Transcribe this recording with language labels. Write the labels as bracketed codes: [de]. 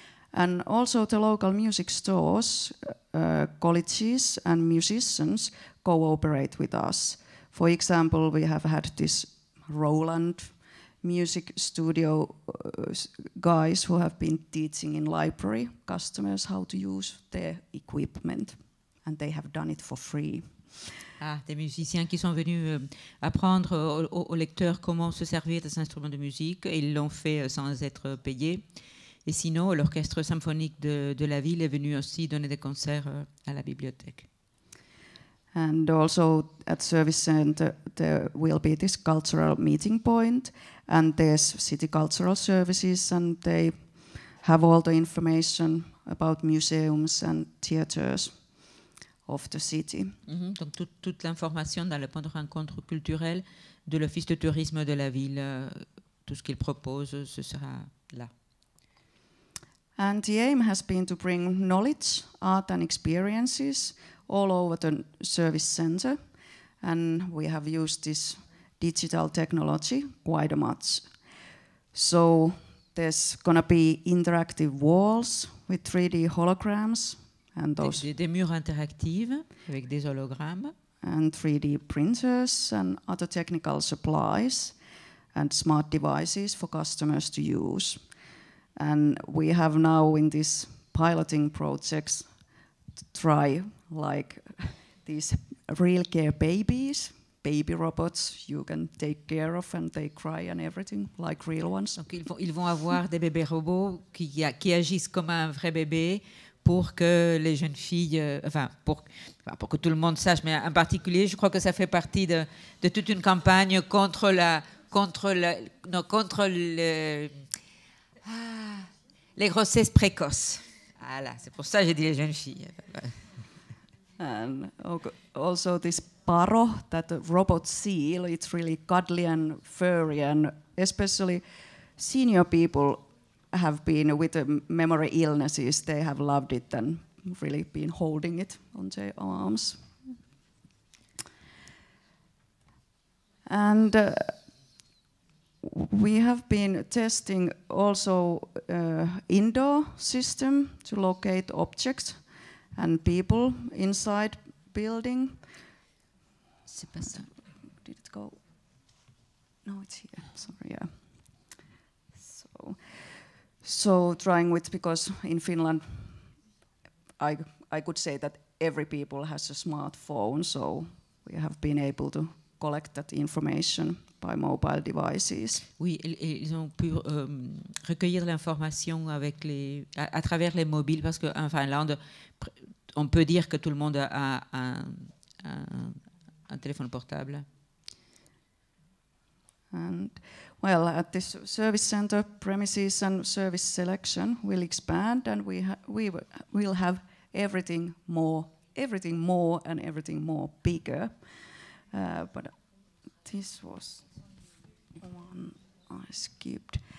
[en] And also the local music stores, colleges and musicians cooperate with us. For example, we have had this Roland music studio guys who have been teaching in library customers how to use their equipment, and they have done it for free. [fr] Ah, des musiciens qui sont venus apprendre aux lecteurs comment se servir des instruments de musique, et ils l'ont fait sans être payés. Et sinon, l'orchestre symphonique de la ville est venu aussi donner des concerts à la bibliothèque. [en] And also at service center there will be this cultural meeting point, and there's city cultural services, and they have all the information about museums and theaters. of the city. Mm-hmm. [fr] Donc toute l'information dans le point de rencontre culturel de l'Office de tourisme de la ville, tout ce qu'il propose, ce sera là. [en] And the aim has been to bring knowledge, art and experiences all over the service center. And we have used this digital technology quite much. So there's going to be interactive walls with 3D holograms and those. [fr] Des murs interactifs avec des hologrammes. [en] And 3D printers and other technical supplies and smart devices for customers to use. And we have now in this piloting projects to try like these real care babies, baby robots you can take care of and they cry and everything like real ones. [fr] Donc ils vont avoir des bébés robots qui agissent comme un vrai bébé pour que les jeunes filles, pour que tout le monde sache, mais en particulier, je crois que ça fait partie de toute une campagne contre les grossesses précoces. Voilà, c'est pour ça que j'ai dit les jeunes filles. [en] And also this paro, that robot seal, it's really cuddly and furry, and especially senior people have been with memory illnesses, they have loved it and really been holding it on their arms. And we have been testing also indoor system to locate objects and people inside building. Did it go? No, it's here. Sorry, yeah. So trying with, because in Finland, I could say that every people has a smartphone, so we have been able to collect that information by mobile devices. [fr] Oui, ils ont pu recueillir l'information avec à travers les mobiles, parce qu'en Finlande, on peut dire que tout le monde a un téléphone portable. [en] And well, at this service center premises and service selection will expand, and we will have everything more bigger. But this was one I skipped.